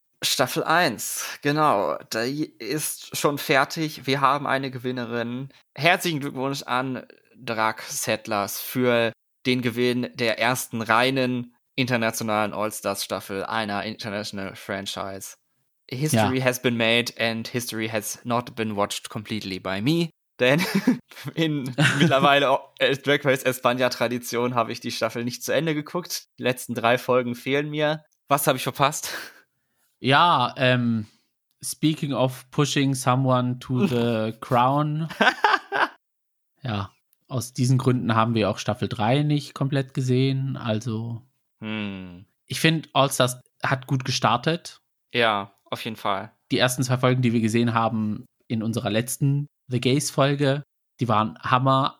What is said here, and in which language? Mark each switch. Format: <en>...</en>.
<de>Staffel 1, genau. Da ist schon fertig. Wir haben eine Gewinnerin. Herzlichen Glückwunsch an Drag Settlers für den Gewinn der ersten reinen internationalen All-Stars-Staffel einer International Franchise.</de> <en>History has been made and history has not been watched completely by me.</en> <de>Denn in mittlerweile Drag Race España-Tradition habe ich die Staffel nicht zu Ende geguckt. Die letzten drei Folgen fehlen mir. Was habe ich verpasst?</de> <en>Ja, speaking of pushing someone to the crown.</en> <de>Ja, aus diesen Gründen haben wir auch Staffel 3 nicht komplett gesehen. Also, ich finde, All Stars hat gut gestartet. Ja. Auf jeden Fall. Die ersten zwei Folgen, die wir gesehen haben in unserer letzten The Gays-Folge, die waren Hammer.</de>